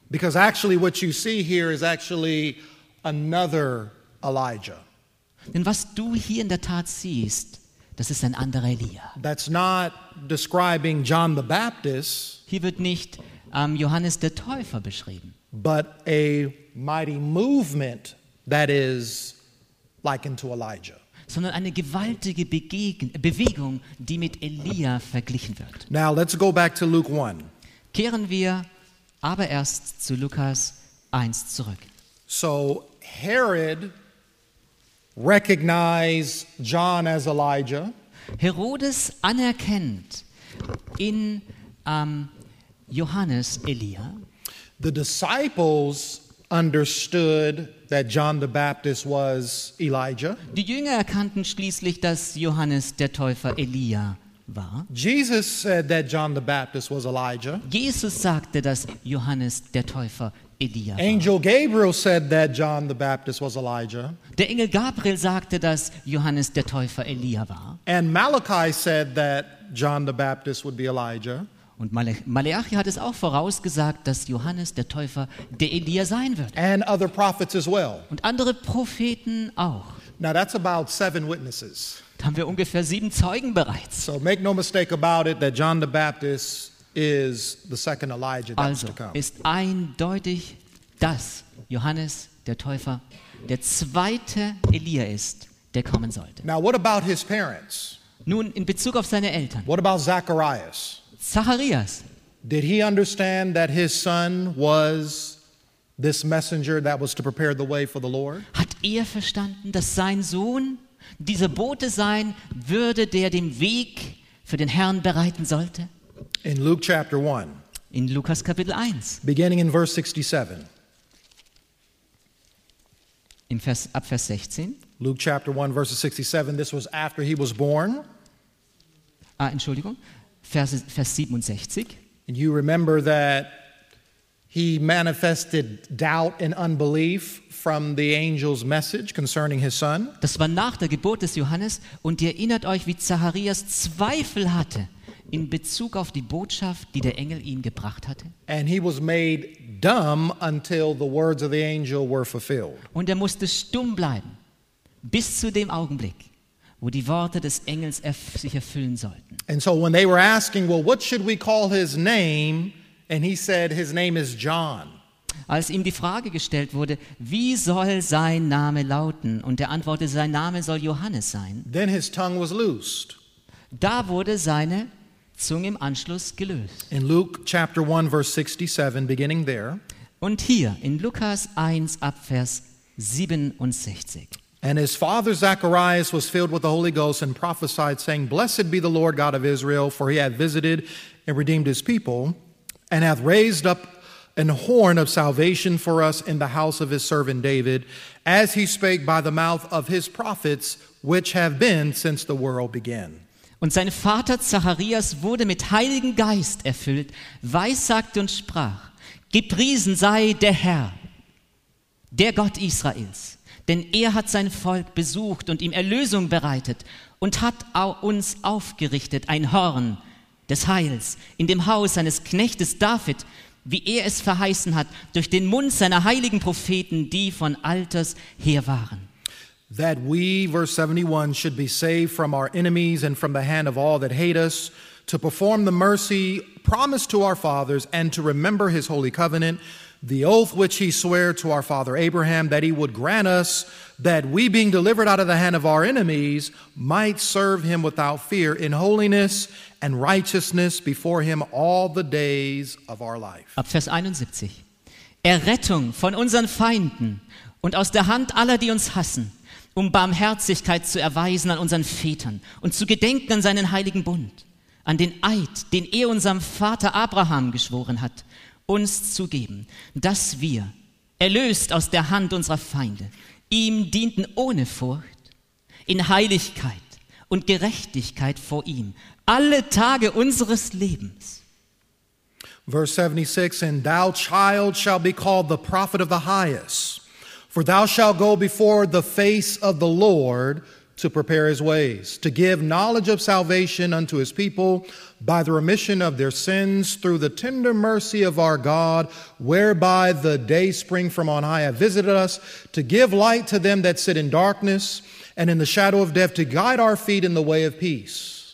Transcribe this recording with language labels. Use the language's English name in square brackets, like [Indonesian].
[English] Because actually what you see here is actually another Elijah. [German] Denn was du hier in der Tat siehst, das ist ein anderer Elia. [English] That's not describing John the Baptist. [German] Hier wird nicht Johannes der Täufer beschrieben. [English] But a mighty movement that is likened to Elijah. [German] Sondern eine gewaltige Bewegung, die mit Elia verglichen wird. [English] Now let's go back to Luke 1. [German] Kehren wir aber erst zu Lukas 1 zurück. [English] So Herod recognized John as Elijah. [German] Herodes anerkennt in Johannes Elia. [English] The disciples understood that John the Baptist was Elijah. [German] Die Jünger erkannten schließlich, dass Johannes der Täufer Elia war. [English] Jesus said that John the Baptist was Elijah. [German] Jesus sagte, dass Johannes der Täufer Elia war. [English] Angel Gabriel said that John the Baptist was Elijah. [German] Der Engel Gabriel sagte, dass Johannes der Täufer Elia war. [English] And Malachi said that John the Baptist would be Elijah. [German] Und Maleachi hat es auch vorausgesagt, dass Johannes der Täufer der Elia sein wird. [English] And other prophets as well. [German] Und andere Propheten auch. [English] Now that's about 7 witnesses. [German] Da haben wir ungefähr 7 Zeugen bereits. [English] So make no mistake about it that John the Baptist is the second Elijah that's to come. [German] Also ist eindeutig, dass Johannes der Täufer der zweite Elia ist, der kommen sollte. [English] Now what about his parents? [German] Nun in Bezug auf seine Eltern. [English] What about Zacharias? [German] Zacharias. [English] Did he understand that his son was this messenger that was to prepare the way for the Lord? [German] Hat verstanden, dass sein Sohn dieser Bote sein würde, der den Weg für den Herrn bereiten sollte? [English] In Luke chapter 1. [German] In Lukas Kapitel 1. [English] Beginning in verse 67. [German] Ab Vers 16. [English] Luke chapter 1 verse 67. This was after he was born. [German] Entschuldigung. Vers 67. [English] And you remember that he manifested doubt and unbelief from the angel's message concerning his son. [German] Das war nach der Geburt des Johannes, und ihr erinnert euch, wie Zacharias Zweifel hatte in Bezug auf die Botschaft, die der Engel ihm gebracht hatte. [English] And he was made dumb until the words of the angel were fulfilled. [German] Und musste stumm bleiben bis zu dem Augenblick, wo die Worte des Engels sich erfüllen sollten. [English] And so when they were asking, well, what should we call his name? And he said, his name is John. [German] Als ihm die Frage gestellt wurde, wie soll sein Name lauten? Und er antwortete, sein Name soll Johannes sein. [English] Then his tongue was loosed. [German] Da wurde seine Zunge im Anschluss gelöst. [English] In Luke chapter 1 verse 67 beginning there. [German] Und hier in Lukas 1 ab Vers 67. [English] And his father Zacharias was filled with the Holy Ghost and prophesied saying, blessed be the Lord God of Israel, for he hath visited and redeemed his people and hath raised up an horn of salvation for us in the house of his servant David, as he spake by the mouth of his prophets, which have been since the world began. [German] Und sein Vater Zacharias wurde mit Heiligen Geist erfüllt, weissagte und sprach, gepriesen sei der Herr, der Gott Israels, denn er hat sein Volk besucht und ihm Erlösung bereitet und hat uns aufgerichtet, ein Horn des Heils in dem Haus seines Knechtes David, wie er es verheißen hat, durch den Mund seiner heiligen Propheten, die von alters her waren. [English] That we, verse 71, should be saved from our enemies and from the hand of all that hate us, to perform the mercy promised to our fathers and to remember his holy covenant, the oath which he sware to our father Abraham, that he would grant us that we, being delivered out of the hand of our enemies, might serve him without fear in holiness and righteousness before him all the days of our life. [German] Ab Vers 71. Errettung von unseren Feinden und aus der Hand aller, die uns hassen, um Barmherzigkeit zu erweisen an unseren Vätern und zu gedenken an seinen heiligen Bund, an den Eid, den er unserem Vater Abraham geschworen hat, uns zu geben, dass wir, erlöst aus der Hand unserer Feinde, ihm dienten ohne Furcht, in Heiligkeit und Gerechtigkeit vor ihm, alle Tage unseres Lebens. [English] Verse 76, and thou child shall be called the prophet of the highest, for thou shalt go before the face of the Lord to prepare his ways, to give knowledge of salvation unto his people by the remission of their sins through the tender mercy of our God, whereby the day spring from on high have visited us, to give light to them that sit in darkness and in the shadow of death, to guide our feet in the way of peace.